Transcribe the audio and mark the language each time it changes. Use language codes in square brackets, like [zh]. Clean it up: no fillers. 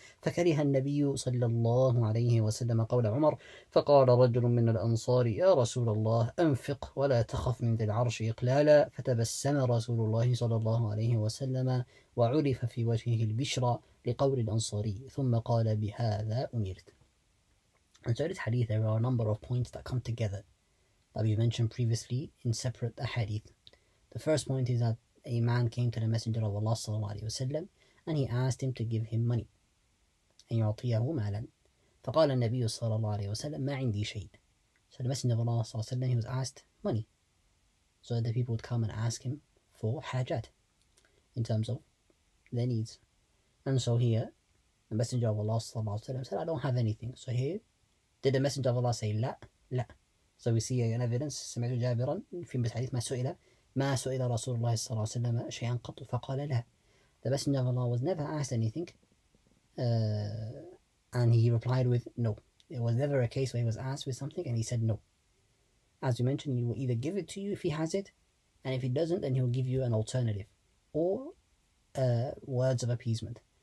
[ar] فكره النبي صلى الله عليه وسلم قول عمر, فقال رجل من الأنصار, يا رسول الله, أنفق ولا تخف من ذي العرش إقلالا. فتبسم رسول الله صلى الله عليه وسلم وعرف في وجهه البشرى لقول الأنصاري, ثم قال, بهذا أمرت. [en] And so this hadith, there are a number of points that come together that we mentioned previously in separate hadith. The first point is that a man came to the Messenger of Allah صلى الله عليه وسلم and he asked him to give him money. [ar] أن يعطيه مالا. فقال النبي صلى الله عليه وسلم, ما عندي شيء. [en] So the Messenger of Allah صلى الله عليه وسلم, he was asked money. So that the people would come and ask him for حاجات, in terms of their needs. And so here, the Messenger of Allah صلى الله عليه وسلم said, I don't have anything. So here, did the Messenger of Allah say, لا, لا. So we see an evidence, [ar] سمعت جابرا في الحديث, ما سئل رسول الله صلى الله عليه وسلم شيئا قط, فقال لا. [en] The Messenger of Allah was never asked anything. And he replied with no. It was never a case where he was asked with something and he said no. As you mentioned, he will either give it to you if he has it, and if he doesn't, then he'll give you an alternative or words of appeasement.